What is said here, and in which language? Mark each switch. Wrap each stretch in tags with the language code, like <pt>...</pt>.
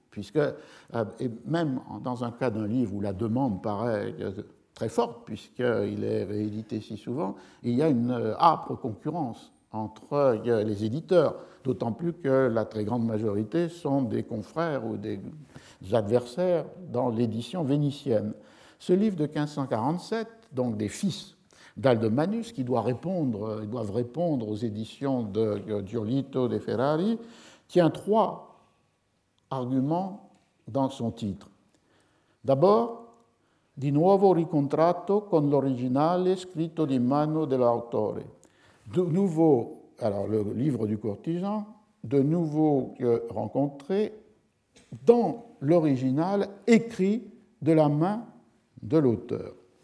<fr>Puisque et même dans un cas d'un livre où la demande paraît très forte, puisqu'il est réédité si souvent, il y a une âpre concurrence entre les éditeurs, d'autant plus que la très grande majorité sont des confrères ou des adversaires dans l'édition vénitienne. Ce livre de 1547, donc des fils d'Alde Manus, qui doivent répondre aux éditions de Giolitto de Ferrari, tient trois argument dans son titre.</fr> <it>D'abord, di nuovo ricontratto con l'originale scritto di mano dell'autore.</it> <fr>De nouveau, alors le livre du courtisan, de nouveau rencontré dans l'original écrit de la main de l'auteur.</fr>